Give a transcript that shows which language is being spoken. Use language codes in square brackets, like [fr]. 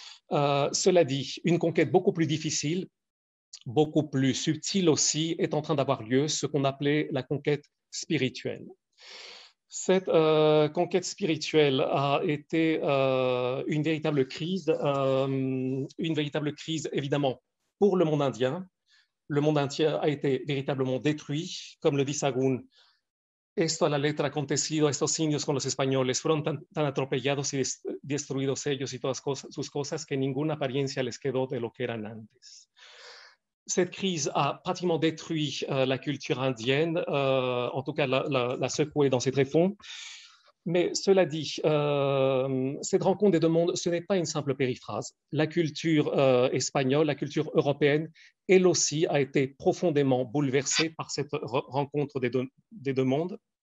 [fr] Cela dit, une conquête beaucoup plus difficile, beaucoup plus subtile aussi, est en train d'avoir lieu, ce qu'on appelait la conquête spirituelle. Cette conquête spirituelle a été une véritable crise évidemment pour le monde indien. Le monde entier a été véritablement détruit, comme le dit Sahagún. [es] Esto a la letra acontecido, estos indios con los españoles fueron tan atropellados y destruidos ellos y todas sus cosas que ninguna apariencia les quedó de lo que eran antes. [fr] Cette crise a pratiquement détruit la culture indienne, en tout cas la secouée dans ses tréfonds. Mais cela dit, cette rencontre des deux mondes, ce n'est pas une simple périphrase. La culture espagnole, la culture européenne, elle aussi a été profondément bouleversée par cette rencontre des deux mondes.